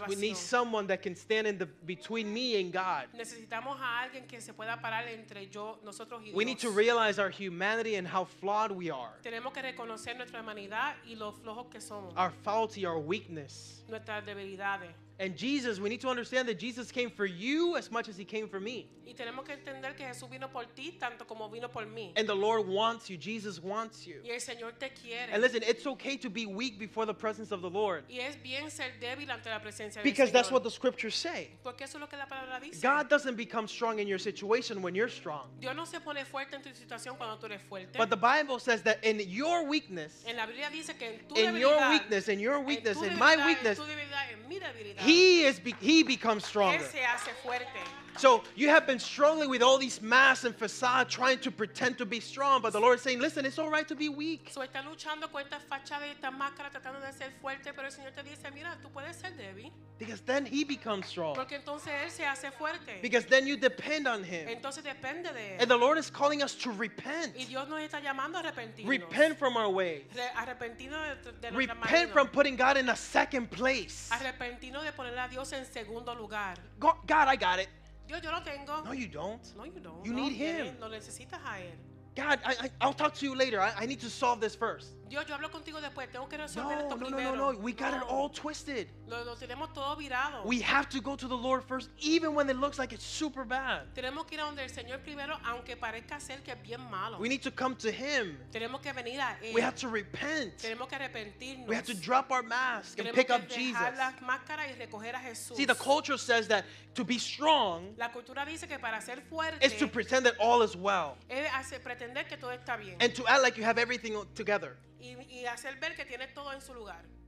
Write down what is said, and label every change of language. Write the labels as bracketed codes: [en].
[en] We need someone that can stand in the between me and God. [es] Necesitamos a alguien que se pueda parar entre yo, nosotros y Dios. [en] We need to realize our humanity and how flawed we are. [es] Tenemos que reconocer nuestra humanidad y lo flojos que somos. [en] Our faulty, our weakness. [es] Nuestras debilidades. [en] And Jesus, we need to understand that Jesus came for you as much as He came for me. [es] Y tenemos que entender que Jesús vino por ti tanto como vino por mí. [en] And the Lord wants you. Jesus wants you. [es] Y el Señor te quiere. [en] And listen, it's okay to be weak before the presence of the Lord. [es] Y es bien ser débil ante la presencia del Señor. [en] Because that's what the scriptures say. [es] Porque eso es lo que la palabra dice. [en] God doesn't become strong in your situation when you're strong. [es] Dios no se pone fuerte en tu situación cuando tú eres fuerte. [en] But the Bible says that in your weakness, [es] en la Biblia dice que en tu debilidad, [en] in your weakness, [es] en tu debilidad, [en] in my weakness, [es] en tu debilidad, en mi debilidad, [en] He becomes stronger. So you have been strongly with all these masks and facade trying to pretend to be strong, but the Lord is saying, listen, it's all right to be weak. [es] So está luchando con esta fachada y esta máscara tratando de ser fuerte, pero el Señor te dice, mira, tú puedes ser débil. [en] Because then He becomes strong. [es] Porque entonces él se hace fuerte. [en] Because then you depend on Him. [es] Entonces depende de él. [en] And the Lord is calling us to repent. [es] Y Dios nos está llamando a arrepentirnos. [en] Repent from our ways. [es] Arrepentido de nuestra manera. [en] Repent from putting God in a second place. [es] Arrepentido de poner a Dios en segundo lugar. [en] God, I got it. [es] Dios, yo lo tengo. [en] No, you don't. No, you don't. You need Him. [es] No necesitas a él. [en] God, I'll talk to you later. I need to solve this first. [es] Dios, yo hablo contigo después. Tengo que resolver no, esto no, primero. [en] No. We got it all twisted. [es] Lo tenemos todo virado. [en] We have to go to the Lord first, even when it looks like it's super bad. [es] Tenemos que ir a donde el Señor primero, aunque parezca ser que es bien malo. [en] We need to come to Him. [es] Tenemos que venir a él. [en] We have to repent. [es] Tenemos que arrepentirnos. [en] We have to drop our mask [es] tenemos [en] and pick [es] que [en] up Jesus. [es] Dejar las máscaras y recoger a Jesús. [en] See, the culture says that to be strong, [es] la cultura dice que para ser fuerte, [en] is to pretend that all is well. [es] Es hacer, pretender que todo está bien. [en] And to act like you have everything together. [es] Y hacer ver que tiene todo en su lugar.